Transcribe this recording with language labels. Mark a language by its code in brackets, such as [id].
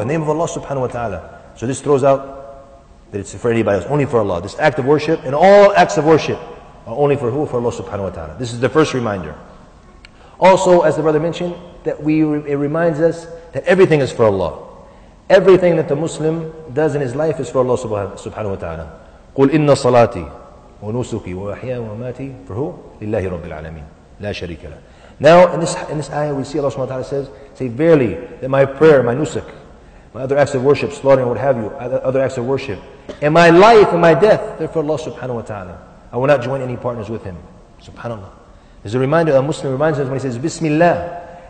[en] In the name of Allah subhanahu wa ta'ala. So this throws out that it's for anybody else. Only for Allah. This act of worship and all acts of worship are only for who? For Allah subhanahu wa ta'ala. This is the first reminder. Also, as the brother mentioned, that it reminds us that everything is for Allah. Everything that the Muslim does in his life is for Allah subhanahu wa ta'ala. [ar] قُلْ إِنَّ صَلَاتِي وَنُسُكِي وَأَحْيَا وَمَاتِي [en] For who? [ar] لِلَّهِ رَبِّ الْعَالَمِينَ لَا شَرِكَ لَهُ [en] Now, in this ayah, we see Allah subhanahu wa ta'ala says, say, verily, that my prayer, my nusuk, my other acts of worship, slaughtering, what have you, other acts of worship, and my life and my death, they're for Allah subhanahu wa ta'ala. I will not join any partners with him. SubhanAllah. There's a reminder, a Muslim reminds us when he says, Bismillah.